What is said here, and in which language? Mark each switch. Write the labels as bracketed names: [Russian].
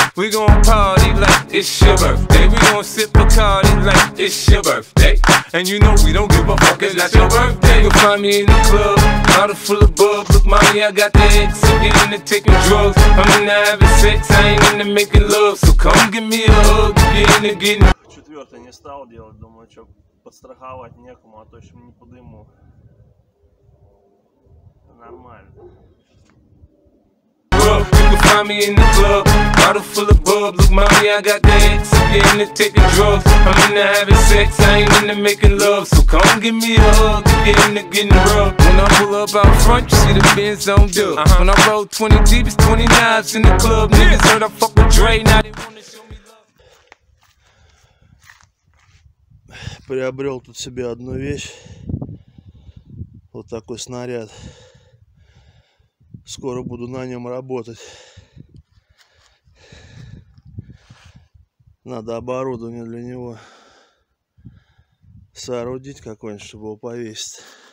[English] We gon' party like it's your birthday. We gon' sip Bacardi like it's your birthday. And you know we don't give a fuck, it's not your birthday. You can find me in the club, bottle full of bub. Look, mommy, I got the X, so get into taking drugs. I'm into having sex, I ain't into making love. So come give me a hug, get into getting. [Russian] Четвертый не стал делать, думаю, что подстраховать некому, а то еще не подыму. Нормально. [English] You can find me in the club, bottle full of bub. Look, mommy, I got the X, I'm getting into taking drugs. I'm into having sex, I ain't into making love. So come give me a hug, get into getting rough. When I pull up out front, you see the Benz on dub. When I roll 20 deep, it's 29s in the club. Niggas heard I fuck with Dre, now they wanna show me love. [Russian] Приобрел тут себе одну вещь. Вот такой снаряд. Скоро буду на нем работать. Надо оборудование для него соорудить какое-нибудь, чтобы его повесить.